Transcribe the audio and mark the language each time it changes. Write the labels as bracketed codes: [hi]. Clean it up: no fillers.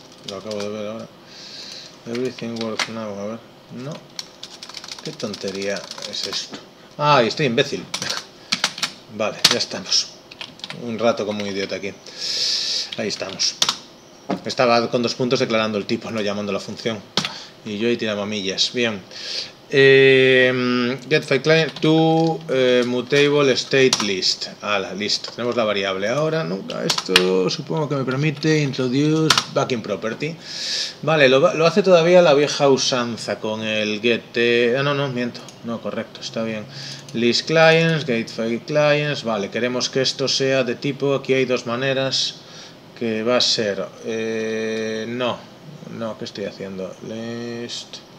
[es] Lo acabo de ver ahora. [en] Everything works now, [es] a ver. No. ¿Qué tontería es esto? ¡Ay, estoy imbécil! Vale, ya estamos. Un rato como un idiota aquí. Ahí estamos. Estaba con dos puntos declarando el tipo, no llamando la función. Y yo ahí tiraba millas. Bien. [en] Get file client to mutable state list. [es] ¡Hala! Listo. Tenemos la variable ahora. Nunca. Esto supongo que me permite [en] introduce backing property. [es] Vale, lo hace todavía la vieja usanza con el get. Ah, no, no, miento. No, correcto, está bien. [en] List clients, get file clients. [es] Vale, queremos que esto sea de tipo. Aquí hay dos maneras que va a ser. No, no, ¿qué estoy haciendo? List.